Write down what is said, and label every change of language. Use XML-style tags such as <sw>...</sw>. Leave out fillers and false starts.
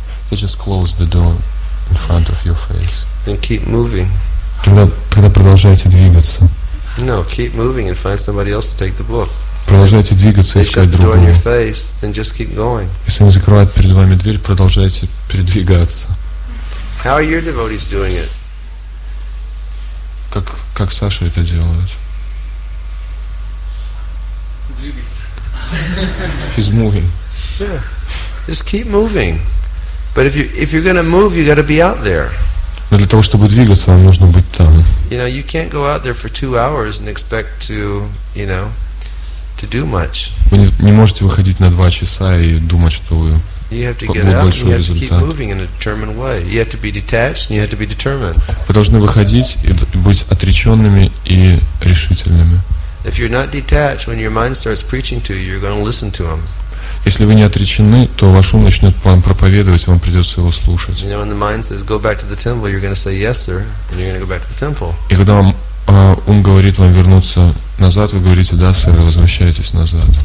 <en>They just close the door in front of your face. And keep moving.</en> <ru>Тогда продолжайте двигаться.</ru> <en>No, keep moving and find somebody else to take the book.</en> <ru>Продолжайте двигаться и искать другого.</ru> <en>They shut the door in your face and just keep going.</en> <ru>Если они закрывают перед вами дверь, продолжайте передвигаться.</ru> <en>How are your devotees doing it?</en> <ru>Как Саша это делает? Двигается.</ru> <en>He's moving. Yeah. Just keep moving. But if you're going to move, you got to be out there.</en> <ru>Но для того, чтобы двигаться, вам нужно быть там.</ru> <en>You know, you can't go out there for 2 hours and expect to, you know, to do much.</en> <ru>Вы не можете выходить на 2 часа и думать, что вы.</ru> <en>You have to get out and you have to keep moving in a determined way. You have to be detached and you have to be determined.</en> <ru>Вы должны выходить и быть отреченными и решительными.</ru> <en>If you're not detached, when your mind starts preaching to you, you're going to listen to him.</en> <ru>Если вы не отречены, то ваш ум начнет вам проповедовать, вам придется его слушать.</ru> <en>You know, when the mind says, go back to the temple, you're going to say, yes, sir, and you're going to go back to the temple.</en> <ru>И когда вам ум говорит вам вернуться назад, вы говорите, да, сэр, и возвращаетесь назад.</ru>